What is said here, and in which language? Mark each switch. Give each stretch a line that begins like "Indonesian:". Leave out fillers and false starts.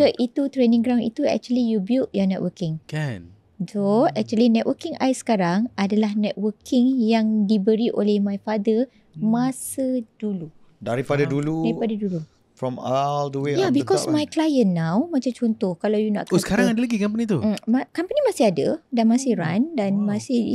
Malay: Ketika itu
English: training ground itu actually you build your networking.
Malay: Kan.
English: So actually
Malay: networking I sekarang adalah networking yang diberi oleh
English: my father
Malay: masa dulu. Daripada dulu.
English: From all the way up. Yeah, because my client now,
Malay: macam contoh, kalau
English: you nak...
Malay: Oh, sekarang ada lagi company tu? Company masih ada dan masih run dan masih...